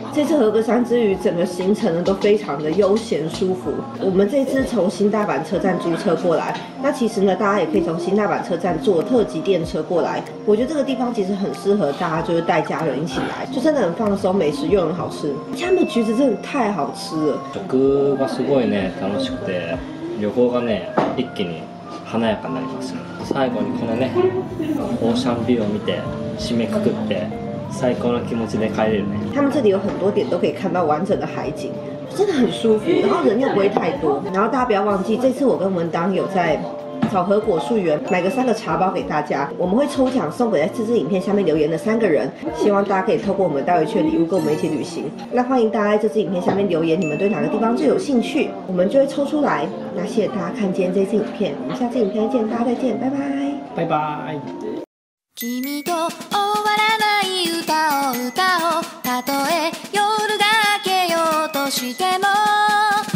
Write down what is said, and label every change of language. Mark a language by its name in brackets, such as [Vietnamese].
[Chinese] 这次和歌山之旅整个行程呢都非常的悠闲舒服。我们这次从新大阪车站租车过来，那其实呢大家也可以从新大阪车站坐特急电车过来。我觉得这个地方其实很适合大家就是带家人一起来，就真的很放松，美食又很好吃。他们橘子真的太好吃了， [Japanese] 食がすごいね楽しくて、旅行がね一気に華やかになります。最後にこのねオーシャンビューを見て締めくくって最高の気持ちで帰れるね。 [Chinese] 他们这里有很多点都可以看到完整的海景，真的很舒服，然后人又不会太多。然后大家不要忘记，这次我跟文当有在草和果树园买个三个茶包给大家，我们会抽奖送给在这支影片下面留言的三个人，希望大家可以透过我们带回去的礼物跟我们一起旅行。那欢迎大家在这支影片下面留言你们对哪个地方最有兴趣，我们就会抽出来。那谢谢大家看今天这支影片，我们下次影片再见，大家再见，拜拜，拜拜。 [Japanese] 君と終わらない歌を歌おう、たとえ夜が明けようとしても。